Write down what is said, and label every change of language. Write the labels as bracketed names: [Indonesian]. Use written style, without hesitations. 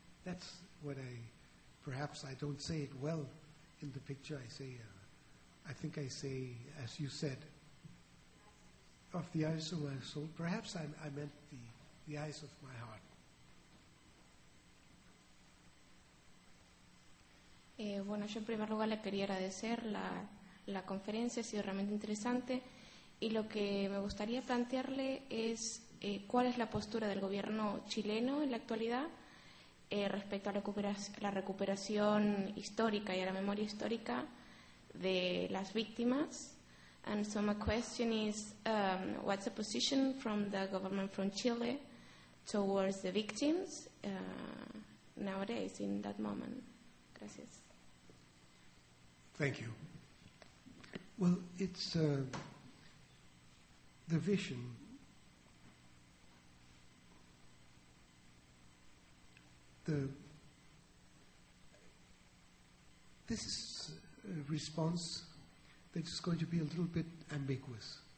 [English] That's what I, perhaps I don't say it well in the picture, I say, I think I say, as you said, of the eyes of my soul. Perhaps I meant the eyes of my heart. [Spanish] Bueno, yo en primer lugar le quería agradecer la conferencia, ha sido realmente interesante. Y lo que me gustaría plantearle es cuál es la postura del gobierno chileno en la actualidad respecto a la recuperación histórica y a la memoria histórica de las víctimas. [English] And so my question is, what's the position from the government from Chile towards the victims nowadays in that moment? [Spanish] Gracias. [English] Thank you. Well, it's the vision this is a response that is going to be a little bit ambiguous.